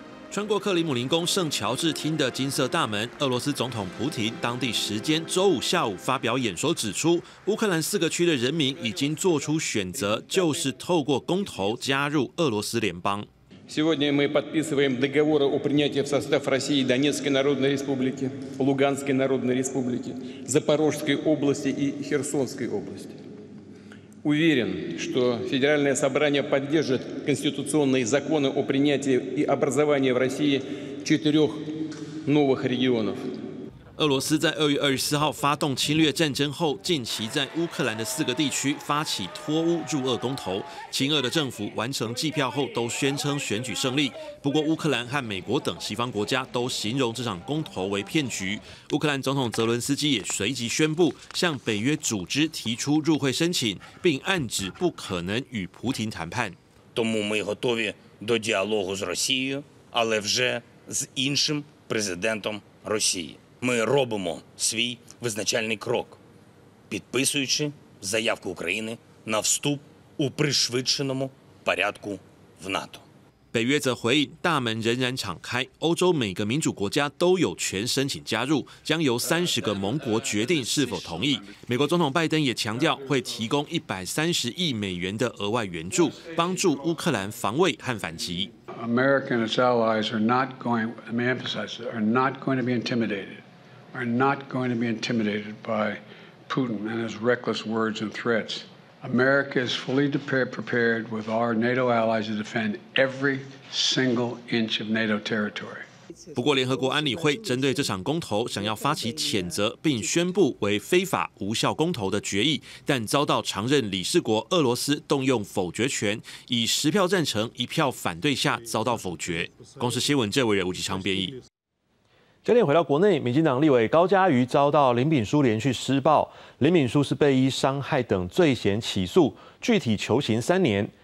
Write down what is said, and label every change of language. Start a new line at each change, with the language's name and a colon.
Chinese: 穿过克里姆林宫圣乔治厅的金色大门，俄罗斯总统普廷当地时间周五下午发表演说，指出乌克兰四个区的人民已经做出选择，就是透过公投加入俄罗斯联邦。
Russian: Сегодня мы подписываем договор о принятии в состав России Донецкой Народной Республики, Луганской Народной Республики, Запорожской области и Херсонской области. Уверен, что Федеральное собрание поддержит конституционные законы о принятии и образовании в России 4 новых регионов.
Chinese: 俄罗斯在2月24号发动侵略战争后，近期在乌克兰的四个地区发起脱乌入俄公投，亲俄的政府完成计票后都宣称选举胜利。不过，乌克兰和美国等西方国家都形容这场公投为骗局。乌克兰总统泽伦斯基也随即宣布向北约组织提出入会申请，并暗指不可能与普廷谈判。
Ukrainian: Тому ми готові до діалогу з Росією, але вже з іншим президентом Росії. Ми робимо свій визначальний крок, підписуючи заявку України на вступ у пришвидшеному порядку в НАТО.
Chinese: 北约则回应，大门仍然敞开，欧洲每个民主国家都有权申请加入，将由30个盟国决定是否同意。美国总统拜登也强调，会提供130亿美元的额外援助，帮助乌克兰防卫和反击。
English: American allies are not going. Let me emphasize, are not going to be intimidated. Are not going to be intimidated by Putin and his reckless words and threats. America is fully prepared with our NATO allies to defend every single inch of NATO territory.
Chinese: 不过，联合国安理会针对这场公投想要发起谴责，并宣布为非法无效公投的决议，但遭到常任理事国俄罗斯动用否决权，以10票赞成、1票反对下遭到否决。公视新闻郑伟仁、吴吉昌编译。焦点回到国内，民进党立委高嘉瑜遭到林秉枢连续施暴，林秉枢是被依伤害等罪嫌起诉，具体求刑3年。